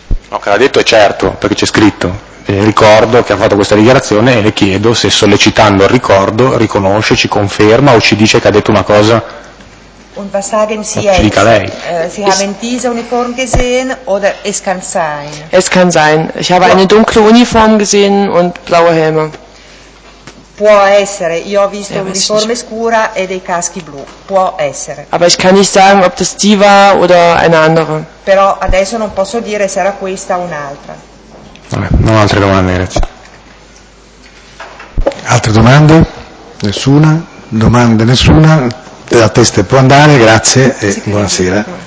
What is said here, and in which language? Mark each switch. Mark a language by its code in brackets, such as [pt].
[it] No, che l'ha detto è certo, perché c'è scritto. Ricordo che ha fatto questa dichiarazione e le chiedo se, sollecitando il ricordo, riconosce, ci conferma o ci dice che ha detto una cosa. [de] Und was sagen Sie jetzt? [it] Ci dica lei. [de] Sie haben diese Uniform gesehen oder es kann sein? Es kann sein. Ich habe eine dunkle Uniform gesehen und blaue Helme. [it] Può essere. Io ho visto un'uniforme scura e dei caschi blu. Può essere. [de] Aber ich kann nicht sagen, ob das die war oder eine andere. [it] Però adesso non posso dire se era questa o un'altra. Non altre domande, grazie. Altre domande? Nessuna? Domande nessuna? La testa può andare, grazie e buonasera.